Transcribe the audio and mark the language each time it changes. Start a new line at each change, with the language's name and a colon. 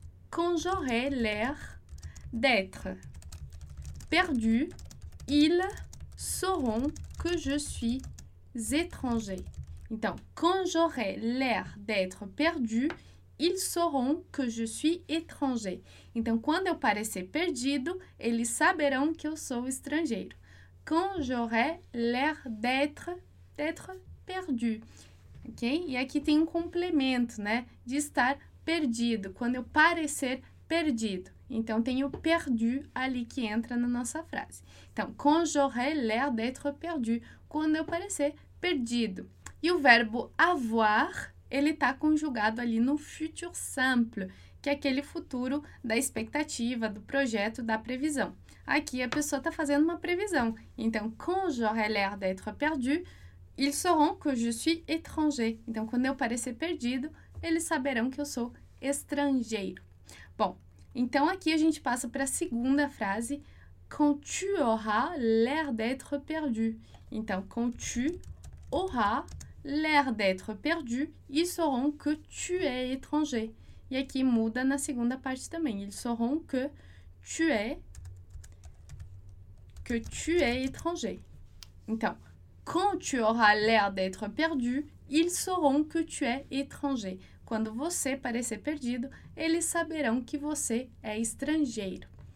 French: Quand j'aurai l'air d'être perdu, ils sauront que je suis étranger. Então, quand j'aurai l'air d'être perdu, ils sauront que je suis étranger.
Portuguese: Então, quando eu parecer perdido, eles saberão que eu sou estrangeiro.
French: Quand j'aurai l'air d'être perdu. Ok?
Portuguese: E aqui tem um complemento, né? De estar perdido, quando eu parecer perdido. Então, tem o perdu ali que entra na nossa frase.
French: Então, quand j'aurai l'air d'être perdu,
Portuguese: quando eu parecer perdido. E o verbo avoir, ele está conjugado ali no futur simple, que é aquele futuro da expectativa, do projeto, da previsão. Aqui a pessoa está fazendo uma previsão.
French: Então, quand j'aurai l'air d'être perdu, ils sauront que je suis étranger.
Portuguese: Então, quando eu parecer perdido, eles saberão que eu sou estrangeiro. Bom, então aqui a gente passa para a segunda frase.
French: Quand tu auras l'air d'être perdu. Então, quand tu auras l'air d'être perdu, ils sauront que tu es étranger.
Portuguese: E aqui muda na segunda parte também.
French: Ils sauront que tu es étranger. Então, quand tu auras l'air d'être perdu, ils sauront que tu es étranger.
Portuguese: Quando você parecer perdido, eles saberão que você é estrangeiro.